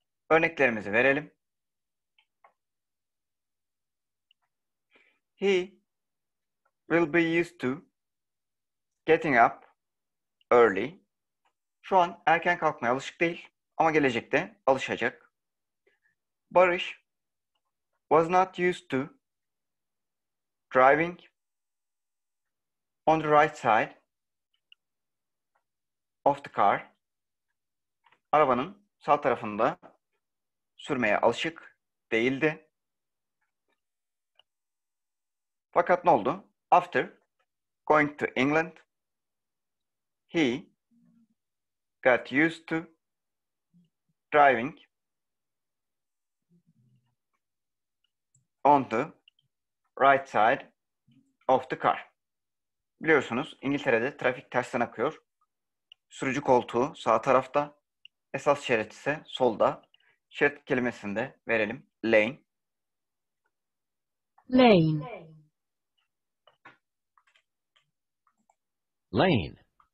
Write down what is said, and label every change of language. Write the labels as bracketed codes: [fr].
[tr] Örneklerimizi verelim. [en] He will be used to getting up early. [tr] Şu an erken kalkmaya alışık değil ama gelecekte alışacak. [en] Barış was not used to driving on the right side of the car. [tr] Arabanın sağ tarafında sürmeye alışık değildi. Fakat ne oldu? [en] After going to England, he got used to driving on the right side of the car. [tr] Biliyorsunuz İngiltere'de trafik tersten akıyor. Sürücü koltuğu sağ tarafta, esas şerit ise solda. Şart kelimesini de verelim. Lane. [en] Lane. Lane.